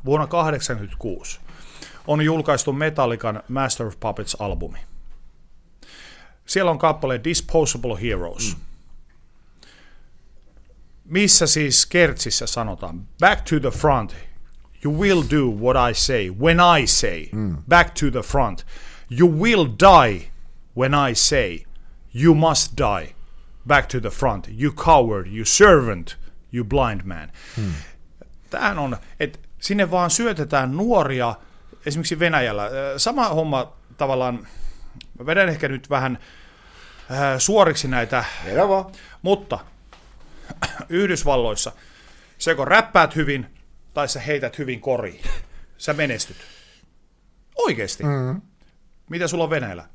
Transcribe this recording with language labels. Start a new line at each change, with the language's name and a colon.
Finnish: vuonna 1986, on julkaistu Metallican Master of Puppets-albumi. Siellä on kappale Disposable Heroes, missä siis kertsissä sanotaan,
English: back to the front. You will do what I say when I say, back to the front. You will die when I say, you must die, back to the front. You coward, you servant, you blind man.
Finnish: Tämähän on, että sinne vaan syötetään nuoria, esimerkiksi Venäjällä. Sama homma tavallaan, mä vedän ehkä nyt vähän suoriksi näitä. Elävä. Mutta Yhdysvalloissa, se kun räppäät hyvin, tai sä heität hyvin koriin. Sä menestyt. Oikeesti. Mitä sulla on Venäjällä?